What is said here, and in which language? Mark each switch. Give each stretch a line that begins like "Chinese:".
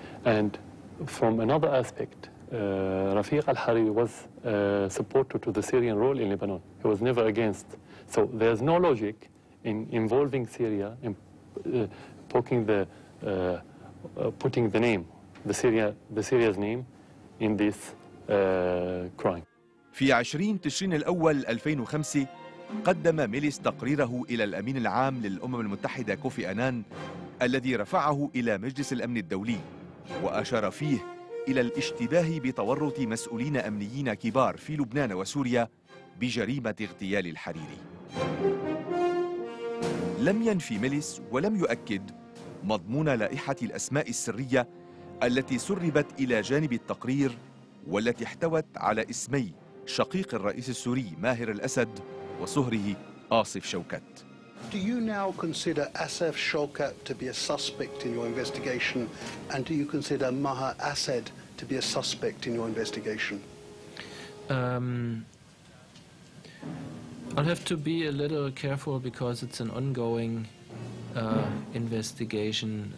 English: And from another aspect, Rafiq al-Hariri was supporter to the Syrian role in Lebanon. He was never against. So there's no logic in involving Syria in poking the putting the name the Syria's name in this crime.
Arabic: في 20 تشرين الأول 2005 قدم ميليس تقريره إلى الأمين العام للأمم المتحدة كوفي أنان الذي رفعه إلى مجلس الأمن الدولي وأشار فيه إلى الاشتباه بتورط مسؤولين أمنيين كبار في لبنان وسوريا بجريمة اغتيال الحريري. لم ينفي ميليس ولم يؤكد مضمون لائحة الأسماء السرية التي سربت إلى جانب التقرير والتي احتوت على اسمي شقيق الرئيس السوري ماهر الأسد وصهره آصف شوكت.
English: Do you now consider Asef Shawkat to be a suspect in your investigation, and do you consider Maher Asad to be a suspect in your investigation? I'll have to be a little careful because it's an ongoing investigation.